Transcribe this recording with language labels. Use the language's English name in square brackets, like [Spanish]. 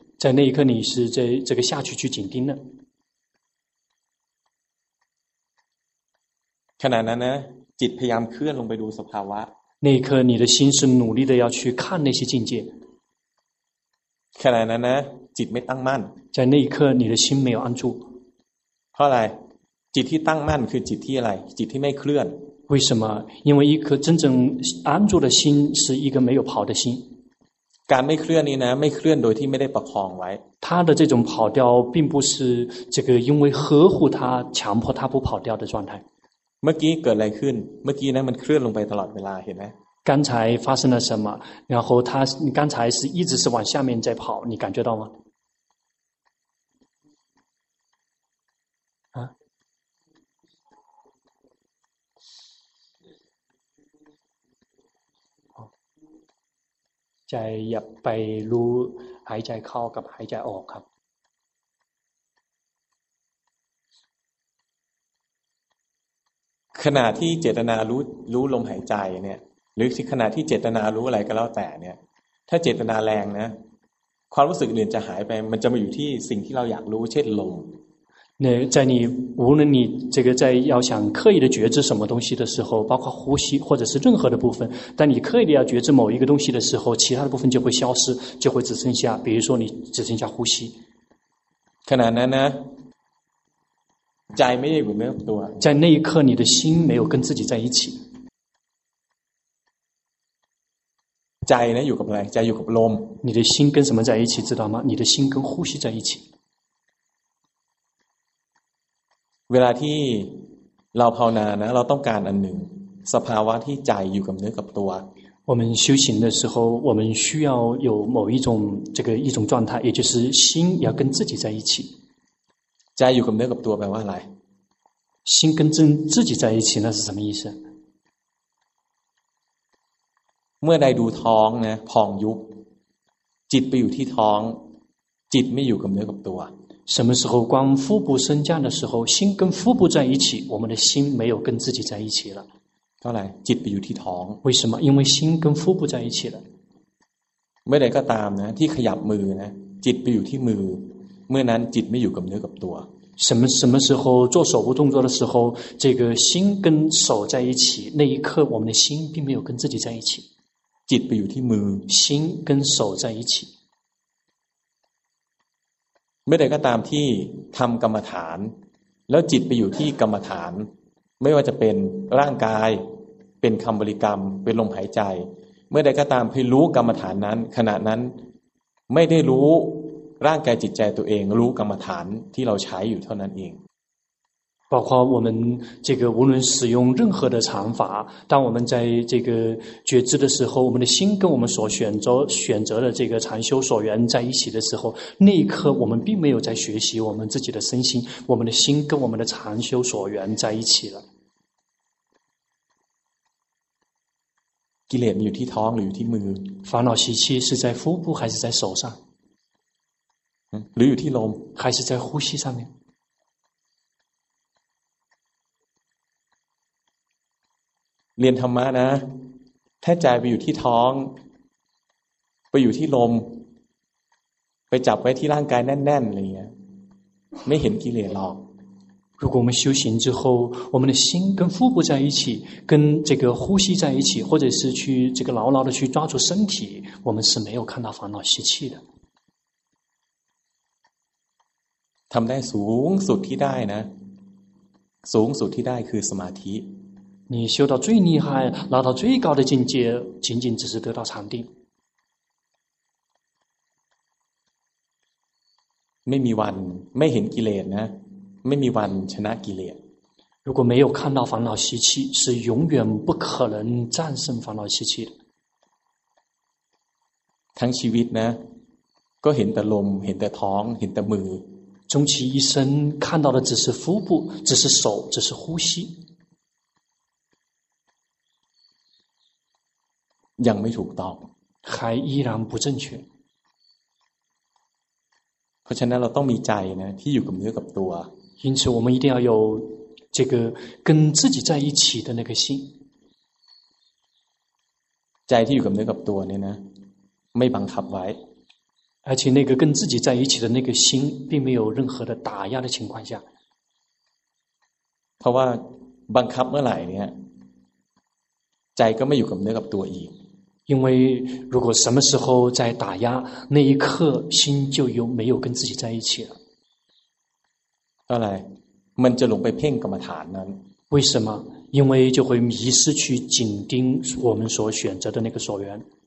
[Chinese] 在那一刻你是在这个下去紧盯了 [Thai] ขณะนั้นนะจิตพยายามเคลื่อนลงไปดูสภาวะ [Chinese] 那一刻你的心是努力的要去看那些境界 [Thai] ขณะนั้นนะจิตไม่ตั้งมั่น [Chinese] 在那一刻你的心没有安住 [Thai] เพราะอะไรจิตที่ตั้งมั่นคือจิตที่อะไรจิตที่ไม่เคลื่อน [Chinese] 为什么因为一颗真正安住的心是一个没有跑的心 [Thai] การไม่เคลื่อนนี้นะไม่เคลื่อนโดยที่ไม่ได้ประคองไว้ [Chinese] 他的这种跑掉并不是这个因为呵护他强迫他不跑掉的状态 [Thai] เมื่อกี้เกิดอะไรขึ้นเมื่อกี้นะมันเคลื่อนลงไปตลอดเวลาเห็นไหม [Chinese] 刚才发生了什么然后它刚才是一直是往下面在跑你感觉到吗 [Thai] ใจอย่าไปรู้หายใจเข้ากับหายใจออกครับ ขณะที่เจตนารู้ลมหายใจเนี่ยหรือขณะที่เจตนารู้อะไรก็แล้วแต่เนี่ยถ้าเจตนาแรงนะ ความรู้สึกอื่นจะหายไปมันจะมาอยู่ที่สิ่งที่เราอยากรู้เช่นลม [Chinese] 那在你无论你这个在要想刻意的觉知什么东西的时候，包括呼吸或者是任何的部分，但你刻意的要觉知某一个东西的时候，其他的部分就会消失，就会只剩下，比如说你只剩下呼吸。 [Thai] ขณะนั้นนะใจไม่ได้อยู่เนื้อตัว [Chinese] 在那一刻，你的心没有跟自己在一起。 [Thai] ใจนะอยู่กับอะไรใจอยู่กับลม [Chinese] 你的心跟什么在一起知道吗你的心跟呼吸在一起 [Thai] เวลาที่เราภาวนานะเราต้องการอันหนึ่งสภาวะที่ใจอยู่กับเนื้อกับตัว [Chinese] 我们修行的时候我们需要有某一种这个一种状态也就是心要跟自己在一起 [Thai] ใจอยู่กับเนื้อกับตัวแปลว่าอะไร [Chinese] 心跟自己在一起那是什么意思 [Thai] เมื่อใดดูท้องนะผ่องยุบจิตไปอยู่ที่ท้องจิตไม่อยู่กับเนื้อกับตัว [Chinese] 什么时候光腹部升降的时候心跟腹部在一起我们的心没有跟自己在一起了 [Thai] เท่าไหร่จิตไปอยู่ที่ท้อง [Chinese] 为什么因为心跟腹部在一起了 [Thai] เมื่อใดก็ตามนะที่ขยับมือนะจิตไปอยู่ที่มือเมื่อนั้นจิตไม่อยู่กับเนื้อกับตัว [Chinese] 什么时候做手部动作的时候这个心跟手在一起那一刻我们的心并没有跟自己在一起 [Thai] จิตไปอยู่ที่มือ [Chinese] 心跟手在一起 [Thai] ไม่ได้ก็ตามที่ทำกรรมฐานแล้วจิตไปอยู่ที่กรรมฐานไม่ว่าจะเป็นร่างกายเป็นคำบริกรรมเป็นลมหายใจเมื่อใดก็ตามที่รู้กรรมฐานนั้นขณะนั้นไม่ได้รู้ร่างกายจิตใจตัวเองรู้กรรมฐานที่เราใช้อยู่เท่านั้นเอง [Chinese] 包括我们这个无论使用任何的禅法当我们在这个觉知的时候我们的心跟我们所选择的这个禅修所缘在一起的时候那一刻我们并没有在学习我们自己的身心我们的心跟我们的禅修所缘在一起了 [Thai] กิเลสอยู่ที่ท้องหรืออยู่ที่มือ [Chinese] 烦恼习气是在腹部还是在手上 [Thai] หรืออยู่ที่ลม [Chinese] 还是在呼吸上面 [Thai] เรียนธรรมะนะถ้าใจไปอยู่ที่ท้องไปอยู่ที่ลมไปจับไว้ที่ร่างกายแน่นๆอะไรเงี้ยไม่เห็นกิเลสหรอก [Chinese] 如果我们修行之后我们的心跟腹部在一起跟这个呼吸在一起或者是去这个牢牢的去抓住身体我们是没有看到烦恼习气的 [Thai] ทำได้สูงสุดที่ได้นะสูงสุดที่ได้คือสมาธิ [Chinese] 你修到最厉害拿到最高的境界仅仅只是得到禅定 [Thai] ไม่มีวันไม่เห็นกิเลสนะไม่มีวันชนะกิเลส [Chinese] 如果没有看到烦恼习气是永远不可能战胜烦恼习气的 [Thai] ทั้งชีวิตนะก็เห็นแต่ลมเห็นแต่ท้องเห็นแต่มือ [Chinese] 终其一生看到的只是腹部只是手只是呼吸 [Thai] ยังไม่ถูกต้อง [Chinese] 还依然不正确 [Thai] เพราะฉะนั้นเราต้องมีใจนะที่อยู่กับเนื้อกับตัว [Chinese] 因此我们一定要有这个跟自己在一起的那个心 [Thai] ใจที่อยู่กับเนื้อกับตัวเนี่ยนะไม่บังคับไว้ [Chinese] 而且那个跟自己在一起的那个心并没有任何的打压的情况下 [Thai] เพราะว่าบังคับเมื่อไหร่เนี่ยใจก็ไม่อยู่กับเนื้อกับตัวอีก [Chinese] 因为如果什么时候在打压那一刻心就有没有跟自己在一起了 [Thai] อะไรมันจะลงไปเพ่งกรรมฐานนั้น [Chinese] 为什么因为就会迷失去紧盯我们所选择的那个所缘